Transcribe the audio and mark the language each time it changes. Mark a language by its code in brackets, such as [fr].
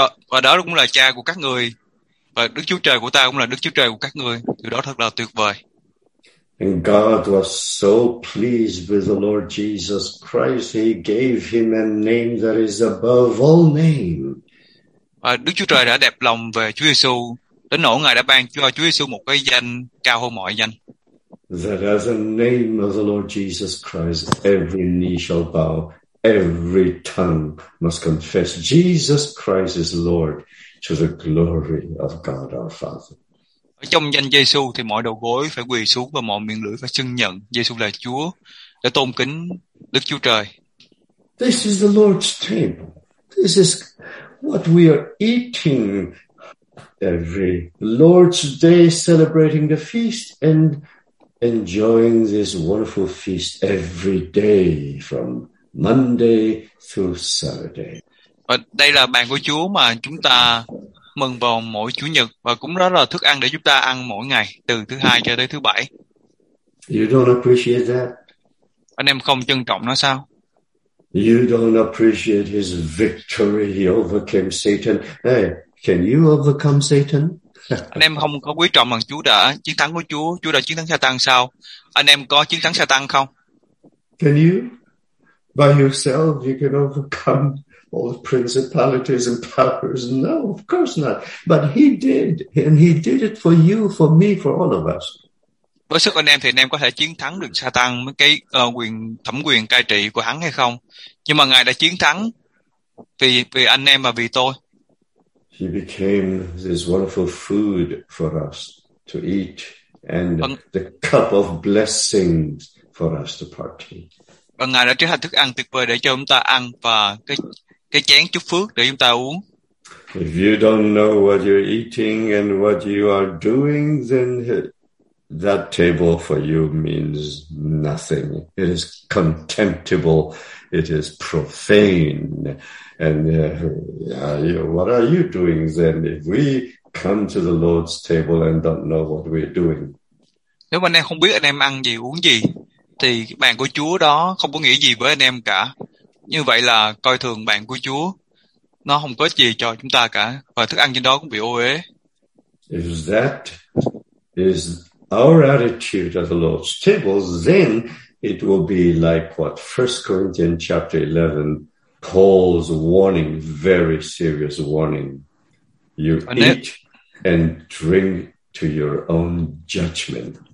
[vi] Và đó cũng là cha của các người, và Đức Chúa Trời của ta cũng là Đức Chúa Trời của các người. Điều đó thật là tuyệt vời. [en] And God was so pleased with the Lord Jesus Christ, he gave him a name that is above all names. [vi] Và Đức Chúa Trời đã đẹp lòng về Chúa Giêsu đến nỗi Ngài đã ban cho Chúa Giêsu một cái danh cao hơn mọi danh. [en] That at the name of the Lord Jesus Christ, every knee shall bow, every tongue must confess Jesus Christ is Lord, to the glory of God our Father. [vi] Ở trong danh Giêsu thì mọi đầu gối phải quỳ xuống và mọi miệng lưỡi phải xưng nhận Giêsu là Chúa để tôn kính Đức Chúa Trời. [en] This is the Lord's table. This is what we are eating every Lord's Day, celebrating the feast and enjoying this wonderful feast every day from Monday through Saturday. [vi] Và đây là bàn của Chúa mà chúng ta mừng vào mỗi Chủ nhật, và cũng đó là thức ăn để chúng ta ăn mỗi ngày từ thứ hai cho tới thứ bảy. [en] You don't appreciate that. [vi] Anh em không trân trọng nó sao? [en] You don't appreciate his victory. He overcame Satan. Hey, can you overcome Satan? [vi] Anh em không có quý trọng bằng Chúa đã chiến thắng của Chúa. Chúa đã chiến thắng Satan sao? Anh em có chiến thắng Satan không? [en] Can you? By yourself, you can overcome all the principalities and powers. No, of course not. But he did. And he did it for you, for me, for all of us. [vi] Với sức anh em thì anh em có thể chiến thắng được Satan, cái quyền thẩm quyền cai trị của hắn hay không? Nhưng mà Ngài đã chiến thắng vì anh em và vì tôi. [en] He became this wonderful food for us to eat and the cup of blessings for us to partake. [vi] Và Ngài đã trở thành thức ăn tuyệt vời để cho chúng ta ăn và cái chén chúc phước để chúng ta uống. [en] If you don't know what you're eating and what you are doing, then that table for you means nothing. It is contemptible. It is profane. And what are you doing then if we come to the Lord's table and don't know what we're doing? [vi] Nếu anh em không biết anh em ăn gì uống gì, thì bàn của Chúa đó không có nghĩa gì với anh em cả. Như vậy là coi thường bàn của Chúa. Nó không có gì cho chúng ta cả. Và thức ăn trên đó cũng bị ô uế. [en] If that is our attitude at the Lord's table, then it will be like what 1 Corinthians chapter 11, Paul's warning, very serious warning. You eat and drink to your own judgment.